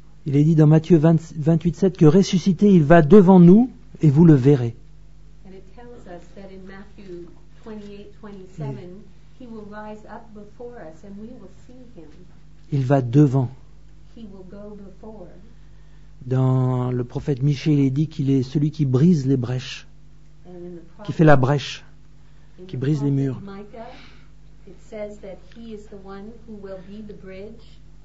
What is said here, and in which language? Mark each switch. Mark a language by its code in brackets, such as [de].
[fr] Il est dit dans Matthieu 28:7 que ressuscité, il va devant nous et vous le verrez. [en] And it tells us that in Matthew 28:27, he will rise up before us and we will see him. [fr] Il va devant. [en] He will go before. [fr] Dans le prophète Michée, il est dit qu'il est celui qui brise les brèches, qui fait la brèche, qui brise les murs. [en] It says that he is the one who will be the bridge.